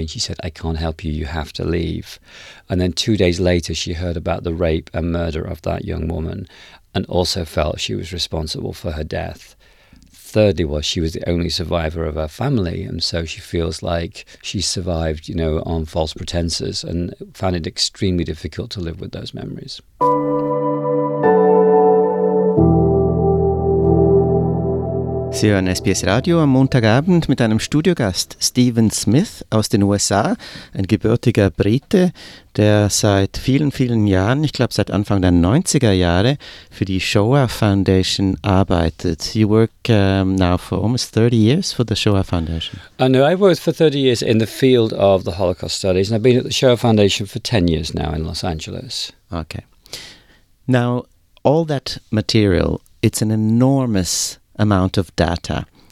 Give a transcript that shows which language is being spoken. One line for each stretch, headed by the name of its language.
English: And she said, I can't help you. You have to leave. And then 2 days later, she heard about the rape and murder of that young woman and also felt she was responsible for her death. Thirdly was she was the only survivor of her family, and so she feels like she survived, you know, on false pretenses and found it extremely difficult to live with those memories.
German: Sie hören SBS Radio am Montagabend mit einem Studiogast, Stephen Smith aus den USA, ein gebürtiger Brite, der seit vielen, vielen Jahren, ich glaube seit Anfang der 90er Jahre, für die Shoah Foundation arbeitet.
English: You work now for almost 30 years for the Shoah Foundation. No, I've worked for 30 years in the field of the Holocaust studies, and I've been at the Shoah Foundation for 10 years now in Los Angeles. Okay. Now, all that material, it's an enormous amount of data.